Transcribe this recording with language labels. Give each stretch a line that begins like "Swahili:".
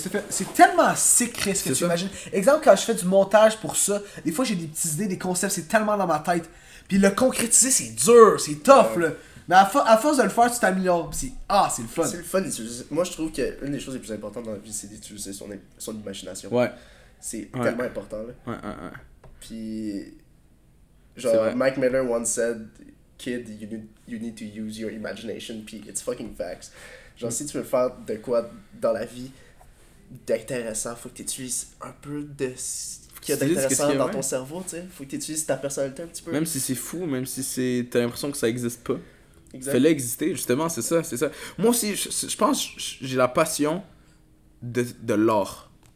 French: C'est tellement sick, Chris, que c'est tu ça. Imagines. Exemple, quand je fais du montage pour ça, des fois j'ai des petites idées, des concepts, c'est tellement dans ma tête. Puis le concrétiser, c'est dur, c'est tough, là. Mais à force de le faire, tu t'améliores. Puis c'est... Ah, c'est le fun. C'est le fun. Moi, je trouve qu'une des choses les plus importantes dans la vie, c'est d'utiliser son, son imagination. Ouais. C'est ouais. tellement important, là. Ouais. Puis.
English: Genre, Mike Miller once said, kid, you need to use your imagination, puis it's fucking facts.
French: Genre, si tu veux faire de quoi dans la vie d'intéressant, faut que tu utilises un peu de ce qu'il y a d'intéressant dans ton cerveau, tu sais. Faut que tu utilises ta personnalité un petit peu. Même si c'est fou, même si c'est... t'as l'impression que ça existe pas. Fais-le exister, justement, c'est ça, c'est ça. Moi aussi, je pense que j'ai la passion de l'art.